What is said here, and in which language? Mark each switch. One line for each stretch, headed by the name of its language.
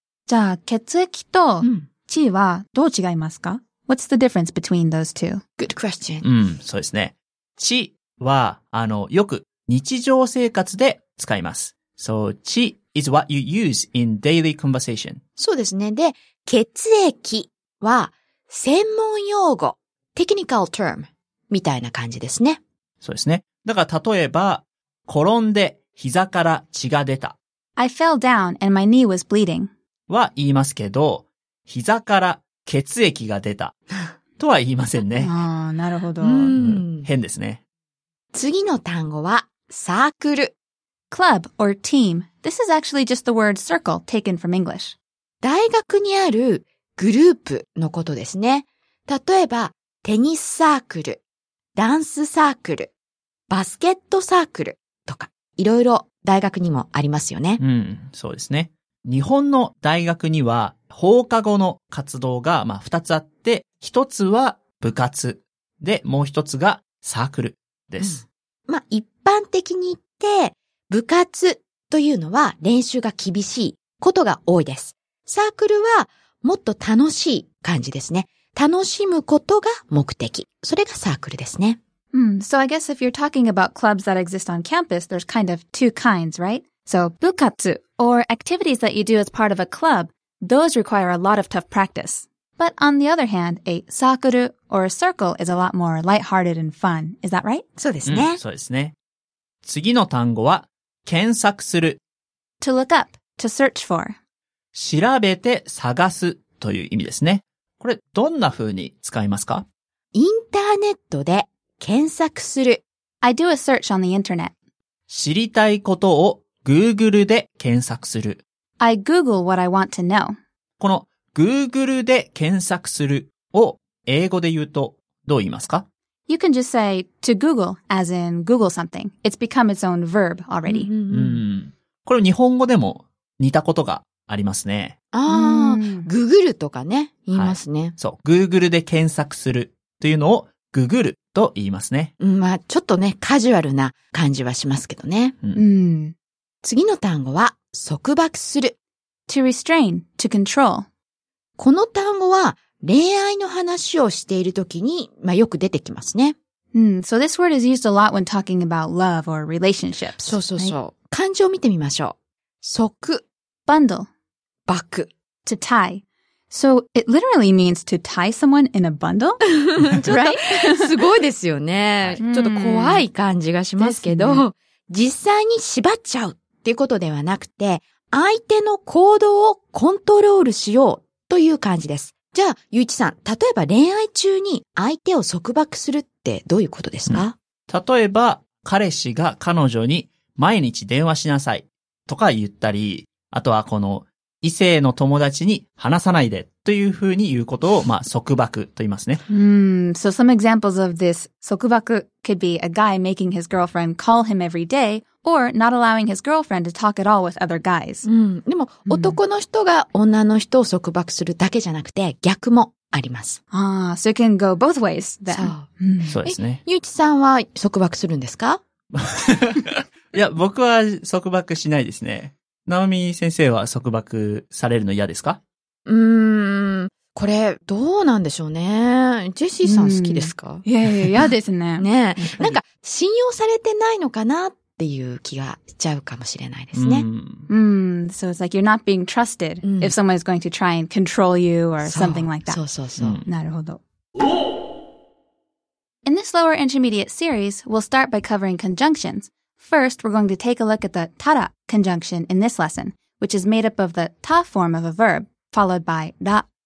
Japanese: じゃあ、血液と血はどう違いますか？
English: What's the difference between those two? Good question.
Japanese: うん、そうですね。血は、よく日常生活で使います。
English: So, 血 is what you use in daily conversation.
Japanese: そうですね。で、血液は専門用語、
English: technical term
Japanese: みたいな感じですね。そうですね。だから、例えば、転んで膝から血が出た。
English: I fell down and my knee was bleeding.
Japanese: は言いますけど、膝から血液が出たとは言いませんね。ああ、なるほど。変ですね。次の単語はサークル。
English: Club or team. This is actually just the word circle taken from English.
Japanese: 大学にあるグループのことですね。例えば、テニスサークル、ダンスサークル、バスケットサークルとか、いろいろ大学にもありますよね。うん、そうですね。日本の大学には放課後の活動が、まあ、二つあって、一つは部活で、もう一つがサークルです。うん、まあ、一般的に言って、部活というのは練習が厳しいことが多いです。サークルはもっと楽しい感じですね。楽しむことが目的。それがサークルですね。
English: Mm, so I guess if you're talking about clubs that exist on campus, there's kind of two kinds, right? So, 部活 or activities that you do as part of a club, those require a lot of tough practice. But on the other hand, a サークル or a circle is a lot more lighthearted and fun. Is that right?
Japanese: そうですね。そうですね。次の単語は、検索する。
English: To look up, to search for.
Japanese: 調べて探すという意味ですね。これ、どんな風に使いますか？インターネットで検索する。
English: I do a search on the internet.
Japanese: 知りたいことを Google で検索する。
English: I Google what I want to know.
Japanese: この Google で検索するを英語で言うとどう言いますか？
English: You can just say to Google as in Google something. It's become its own verb already.
Japanese: うん。これ日本語でも似たことがありますね。ああ、Google とかね、言いますね。はい、そう、Google で検索するというのをググると言いますね。まあ、ちょっとね、カジュアルな感じはしますけどね。うん。次の単語は、束縛する。
English: To restrain, to control.
Japanese: この単語は、恋愛の話をしているときに、まあ、よく出てきますね。
English: So this word is used a lot when talking about love or relationships.
Japanese: そうそうそう。Right? 漢字を見てみましょう。束。
English: Bundle.
Japanese: バック。
English: To tie. So, it literally means to tie someone in a bundle? Right?
Japanese: すごいですよね。ちょっと怖い感じがしますけど、実際に縛っちゃうっていうことではなくて、相手の行動をコントロールしようという感じです。じゃあ、ゆういちさん、例えば恋愛中に相手を束縛するってどういうことですか？例えば、彼氏が彼女に毎日電話しなさいとか言ったり、あとはこの、異性の友達に話さないでというふうに言うことを、まあ、束縛と言いますね。 So some examples of this 束縛 could be a guy making his girlfriend call him every day or not allowing his girlfriend to talk at all with other guys. でも、男の人が女の人を束縛するだけじゃなくて逆もあります。
English: ああ、so it can go both ways then.
Japanese: そうですね。ゆういちさんは束縛するんですか？いや、僕は束縛しないですね。ナオミ先生は束縛されるの嫌ですか？これどうなんでしょうね。ジェシーさん好きですか？いやいや、嫌ですね。ねえ。なんか信用されてないのかなっていう気がしちゃうかもしれないですね。
English: So it's like you're not being trusted if someone is going to try and control you or something like that.
Japanese: そうそうそう。なるほど。
English: In this lower intermediate series, we'll start by covering conjunctions. First, we're going to take a look at the tara conjunction in this lesson, which is made up of the ta form of a verb, followed by ra.